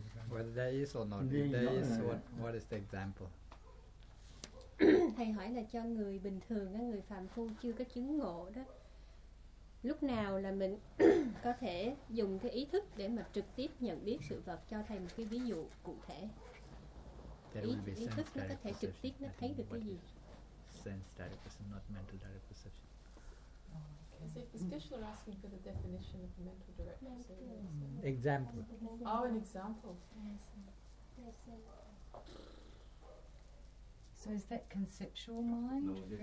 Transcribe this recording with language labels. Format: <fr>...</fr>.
<en>Whether there is or not, if there is, what is the example?</en> <vi>Thầy hỏi là cho người bình thường, người phàm phu chưa có chứng ngộ đó, lúc nào là mình có thể dùng cái ý thức để mà trực tiếp nhận biết sự vật? Cho thầy một cái ví dụ cụ thể. Ý thức nó có thể trực tiếp nó thấy được cái gì?</vi> <en>Sense direct perception, not mental direct perception. Especially asking for the definition of mental direct perception. Example. Oh, an example. So is that conceptual mind?</en>